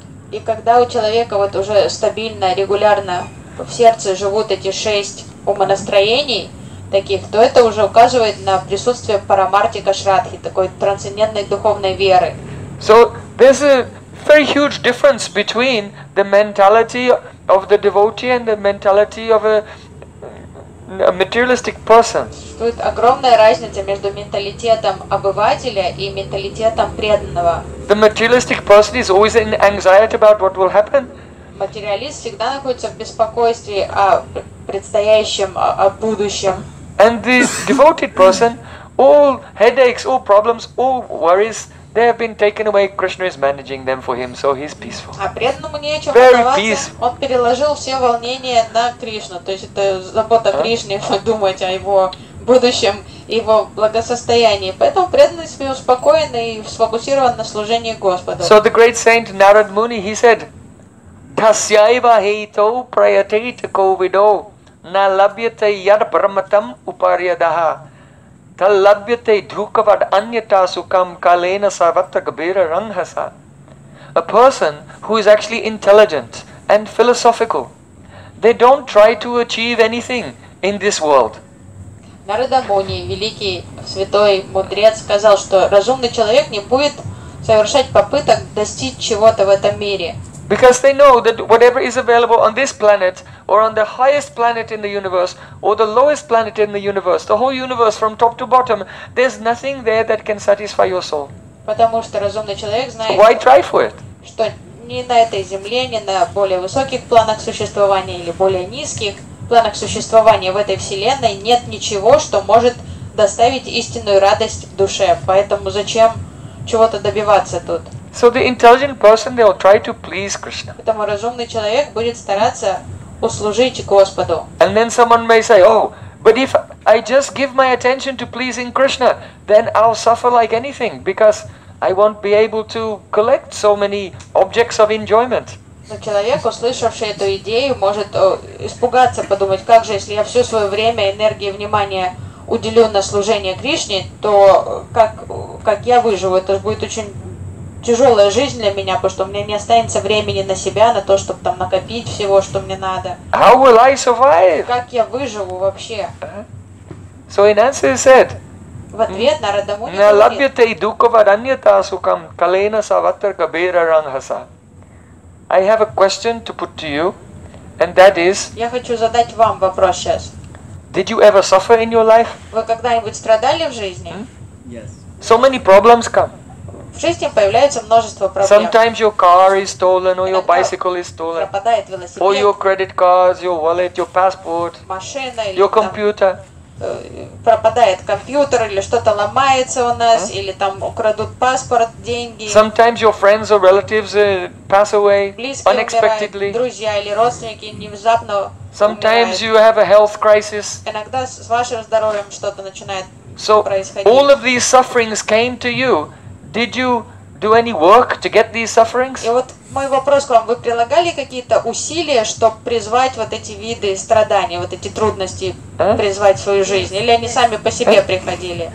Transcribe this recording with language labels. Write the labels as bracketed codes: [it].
[ru] И когда у человека вот уже стабильно, регулярно в сердце живут эти шесть умонастроений, таких, то это уже указывает на присутствие парамартика кашрадхи, такой трансцендентной духовной веры. [en] So there's a very huge difference between the mentality of the devotee and the mentality of a materialistic person. [ru] Тут огромная разница между менталитетом обывателя и менталитетом преданного. [en] The materialistic person is always in anxiety about what will happen. [ru] Материалист всегда находится в беспокойстве о предстоящем, о будущем. [en] And the devoted person, all headaches, all problems, all worries, they have been taken away. Krishna is managing them for him, so he's peaceful. [ru] А преданному не о чем волноваться. Он переложил все волнения на Кришну. То есть это забота Кришны, думать о его будущем, его благосостоянии. Поэтому преданный успокоен и сфокусирован на служении Господу. [en] So the great saint Narad Muni, he said, [sa] Tasyaiva heito prayate tako vido na labhyate yad brahmatam upariyadaha tal labhyate dhukavad anyata sukam kalena savatta gabira ranghasa. [en] A person who is actually intelligent and philosophical, they don't try to achieve anything in this world. [ru] Narada Muni, великий святой мудрец, сказал, что разумный человек не будет совершать попыток достичь чего-то в этом мире. [en] Because they know that whatever is available on this planet, or on the highest planet in the universe, or the lowest planet in the universe, the whole universe from top to bottom, there's nothing there that can satisfy your soul. [ru] Потому что разумный человек знает, [en] why try for it? [ru] Что ни на этой земле, ни на более высоких планах существования или более низких планах существования в этой вселенной нет ничего, что может доставить истинную радость в душе. Поэтому зачем чего-то добиваться тут? [en] So the intelligent person, they will try to please Krishna. [ru] Поэтому разумный человек будет стараться услужить Господу. [en] And then someone may say, oh, but if I just give my attention to pleasing Krishna, then I'll suffer like anything because I won't be able to collect so many objects of enjoyment. [ru] Но человек, услышавший эту идею, может испугаться, подумать, как же, если я все свое время, энергию, внимание уделю на служение Кришне, то как я выживу? Это будет очень тяжелая жизнь для меня, потому что у меня не останется времени на себя, на то, чтобы там накопить всего, что мне надо. [en] How will I survive? [ru] Как я выживу вообще? [en] So in answer he said, [ru] в ответ Нарада Муни говорит, [sa] «Налабьяте идукова раньята сукам калейна саваттар кабира рангаса». [en] I have a question to put to you, and that is, [ru] я хочу задать вам вопрос сейчас. [en] Did you ever suffer in your life? [ru] Вы когда-нибудь страдали в жизни? [en] Yes. So many problems come. [ru] В жизни появляется множество проблем. [en] Sometimes your car is stolen, or your bicycle is stolen, [ru] пропадает велосипед, [en] or your credit cards, your wallet, your passport, [ru] машина, [en] your computer. [ru] Пропадает компьютер или что-то ломается у нас, или там украдут паспорт, деньги. [en] Sometimes your friends or relatives pass away unexpectedly. [ru] Друзья или родственники внезапно умирают. [en] Sometimes you have a health crisis. [ru] Иногда с вашим здоровьем что-то начинает происходить. [en] So all of these sufferings came to you. Did you do any work to get these sufferings? [ru] И вот мой вопрос к вам: вы прилагали какие-то усилия, чтобы призвать вот эти виды страданий, вот эти трудности призвать в свою жизнь, или они сами по себе приходили?